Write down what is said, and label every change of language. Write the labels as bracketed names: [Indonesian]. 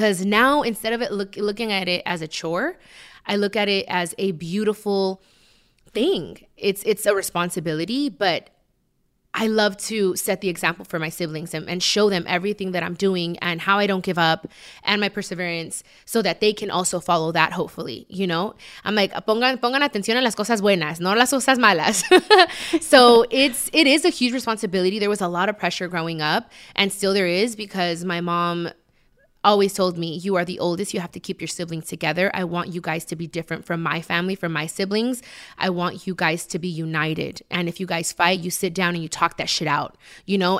[English] Because now, instead of it looking at it as a chore, I look at it as a beautiful thing. It's a responsibility, but I love to set the example for my siblings and show them everything that I'm doing and how I don't give up and my perseverance so that they can also follow that, hopefully, you know? [Spanish] I'm like, pongan atención a las cosas buenas, no las cosas malas. [English] So it is a huge responsibility. There was a lot of pressure growing up and still there is because my mom always told me, you are the oldest. You have to keep your siblings together. I want you guys to be different from my family, from my siblings. I want you guys to be united. And if you guys fight, you sit down and you talk that shit out, you know?